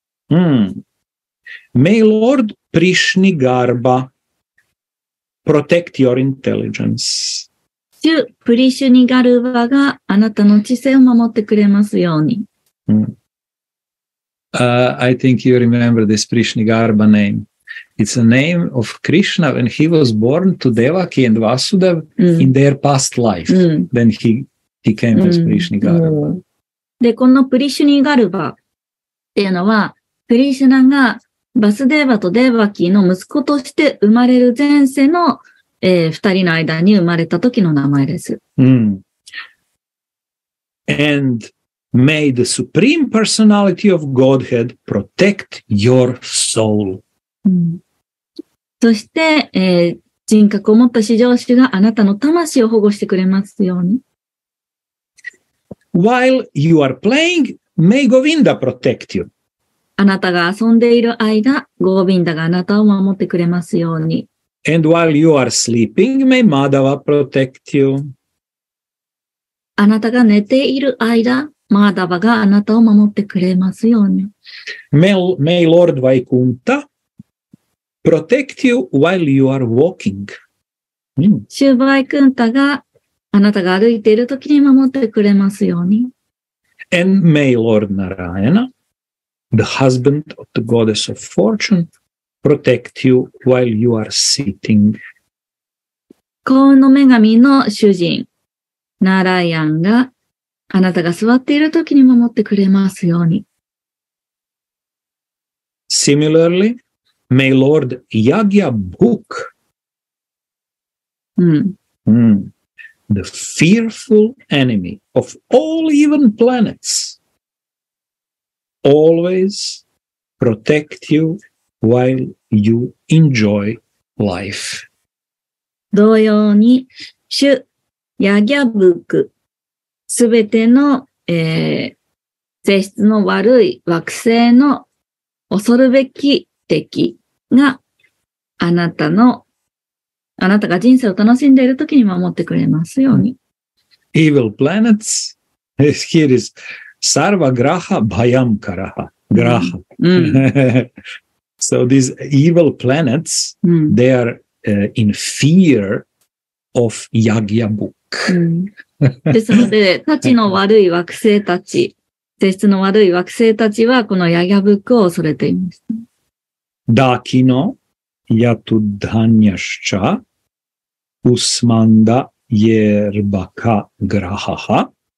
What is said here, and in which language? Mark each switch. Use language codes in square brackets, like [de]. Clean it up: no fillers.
[en] Hmm. May Lord Prishni Garba protect your intelligence. [ja] 主プリシュニガルバがあなたの知性を守ってくれますように。 [en] I think you remember this Prishni Garba name. It's a name of Krishna when he was born to Devaki and Vasudev in their past life. Then he came as Prishni Garba. [ja] で、このプリシュニガルバっていうのは、プリシュナがバスデーバとデーバキーの息子として生まれる前世の、二人の間に生まれた時の名前です。 [en] And may the supreme personality of Godhead protect your soul. [ja] そして、人格を持った至上主があなたの魂を保護してくれますように。 [en] While you are playing, may Govinda protect you. [ja] あなたが遊んでいる間、ゴビンダがあなたを守ってくれますように。 [en] And while you are sleeping, may Madhava protect you. [ja] あなたが寝ている間、マダヴァがあなたを守ってくれますように。 [en] May Lord Vaikunta protect you while you are walking. [ja] シュヴァイクンタがあなたが歩いているときに守ってくれますように。 [en] And may Lord Narayana, the husband of the goddess of fortune, protect you while you are sitting. [ja] 幸運の女神の主人、ナライアンがあなたが座っているときに守ってくれますように。 [en] Similarly, may Lord Yagya Bhuk. The fearful enemy of all even planets always protect you while you enjoy life. [ja] 同様に、主ヤギャブーク、すべての、性質の悪い惑星の恐るべき敵が、あなたが人生を楽しんでいるときに守ってくれますように。 [en] Evil planets, here is [sa] Sarva Graha Bhayam Karaha. [en] Graha. So these evil planets, they are in fear of Yagya Book. [ja] ですので、たちの悪い惑星たち、性質の悪い惑星たちはこのヤギャブックを恐れています。 [sa] ダキノヤトダニャシチャUsmanda yerbaka grahaha,